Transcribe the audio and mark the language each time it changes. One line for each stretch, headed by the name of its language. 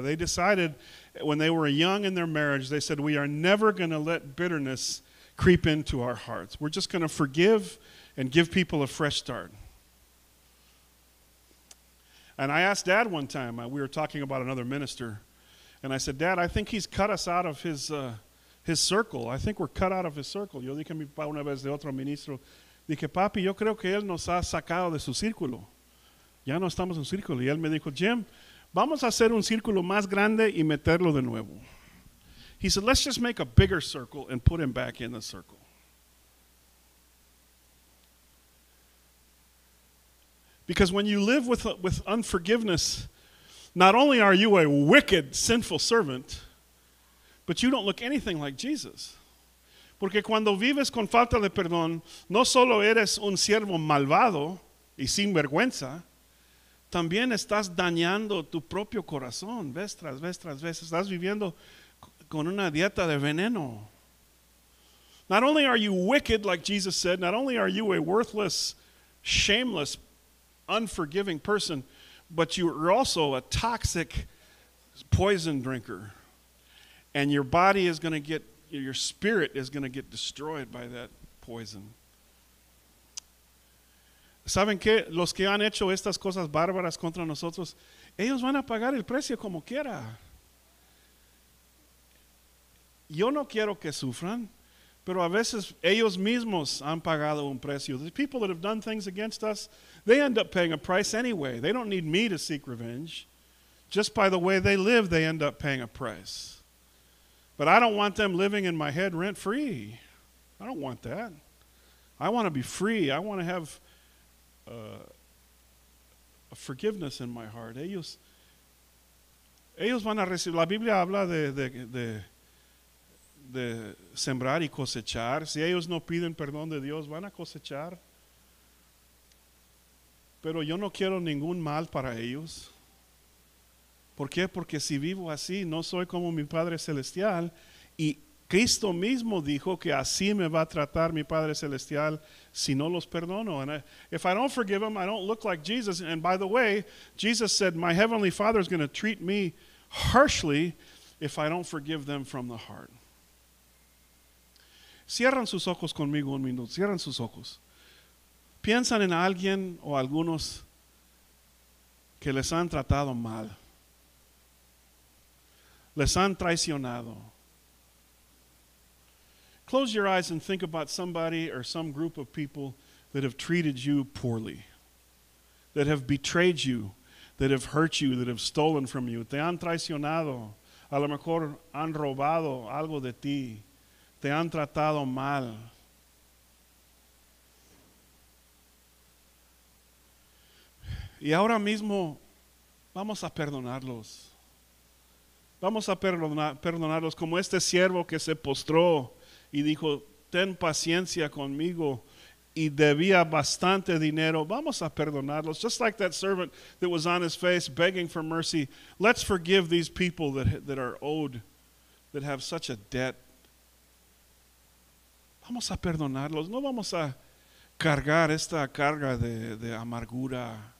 English: They decided when they were young in their marriage, they said, we are never going to let bitterness creep into our hearts. We're just going to forgive and give people a fresh start. And I asked Dad one time, we were talking about another minister, and I said, Dad, I think he's cut us out of his circle. I think we're cut out of his circle.
Spanish: Yo dije a mi papá una vez de otro ministro, dije, papi, yo creo que él nos ha sacado de su círculo. Ya no estamos en un círculo. Y él me dijo, Jim, vamos a hacer un círculo más grande y meterlo de nuevo.
English: He said, let's just make a bigger circle and put him back in the circle. Because when you live with unforgiveness, not only are you a wicked, sinful servant, but you don't look anything like Jesus.
Spanish: Porque cuando vives con falta de perdón, no solo eres un siervo malvado y sin vergüenza, también estás dañando tu propio corazón, vez tras vez. Estás viviendo con una dieta de veneno.
English: Not only are you wicked, like Jesus said, not only are you a worthless, shameless, unforgiving person, but you are also a toxic poison drinker. And your body is going to get, your spirit is going to get destroyed by that poison.
Spanish: ¿Saben qué? Los que han hecho estas cosas bárbaras contra nosotros, ellos van a pagar el precio como quiera. Yo no quiero que sufran, pero a veces ellos mismos han pagado un precio.
English: The people that have done things against us, they end up paying a price anyway. They don't need me to seek revenge. Just by the way they live, they end up paying a price. But I don't want them living in my head rent-free. I don't want that. I want to be free. I want to have a forgiveness in my heart.
Spanish: Ellos van a recibir. La Biblia habla de sembrar y cosechar. Si ellos no piden perdón de Dios, van a cosechar. Pero yo no quiero ningún mal para ellos. ¿Por qué? Porque si vivo así, no soy como mi Padre Celestial. Y Cristo mismo dijo que así me va a tratar mi Padre Celestial si no los perdono.
English: And if I don't forgive them, I don't look like Jesus. And by the way, Jesus said, my Heavenly Father is going to treat me harshly if I don't forgive them from the heart.
Spanish: Cierran sus ojos conmigo un minuto. Cierran sus ojos. Piensan en alguien o algunos que les han tratado mal. les han traicionado.
English: Close your eyes and think about somebody or some group of people that have treated you poorly, that have betrayed you, that have hurt you, that have stolen from you.
Spanish: Te han traicionado. A lo mejor han robado algo de ti. Te han tratado mal. Y ahora mismo vamos a perdonarlos. Vamos a perdonarlos como este siervo que se postró y dijo, ten paciencia conmigo, y debía bastante dinero. Vamos a perdonarlos.
English: Just like that servant that was on his face begging for mercy. Let's forgive these people that are owed, that have such a debt.
Spanish: Vamos a perdonarlos. No vamos a cargar esta carga de amargura.